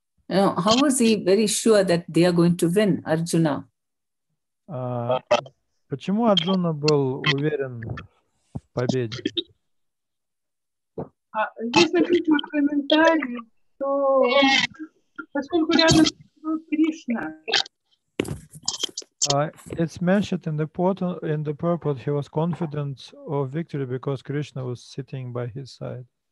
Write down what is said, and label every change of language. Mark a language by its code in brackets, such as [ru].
[en] How was he very sure that they are going to win, Arjuna? [ru] Почему Арджуна был уверен победе? Здесь написано в комментарии, что поскольку рядом Кришна. [en] It's mentioned in the purport, he was confident of victory because Krishna was sitting by his side.